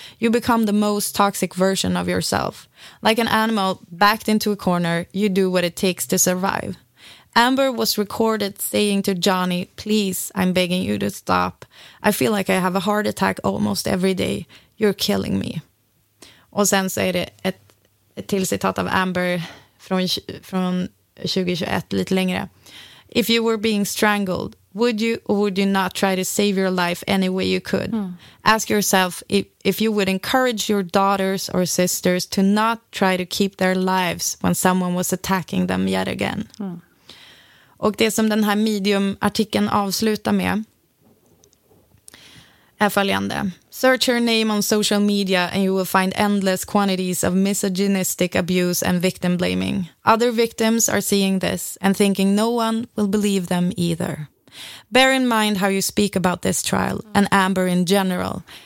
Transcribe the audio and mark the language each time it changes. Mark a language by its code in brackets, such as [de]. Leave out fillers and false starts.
[en] You become the most toxic version of yourself. Like an animal backed into a corner, you do what it takes to survive. Amber was recorded saying to Johnny, please, I'm begging you to stop. I feel like I have a heart attack almost every day. You're killing me. [sv] Och sen så är det ett till citat av Amber från 2021, lite längre. [en] If you were being strangled, would you or would you not try to save your life any way you could? Ask yourself if you would encourage your daughters or sisters to not try to keep their lives when someone was attacking them yet again. [sv] Och det som den här Medium-artikeln avslutar med är följande. [en] Search her name on social media and you will find endless quantities of misogynistic abuse and victim blaming. Other victims are seeing this and thinking no one will believe them either. Bear in mind how you speak about this trial and Amber in general.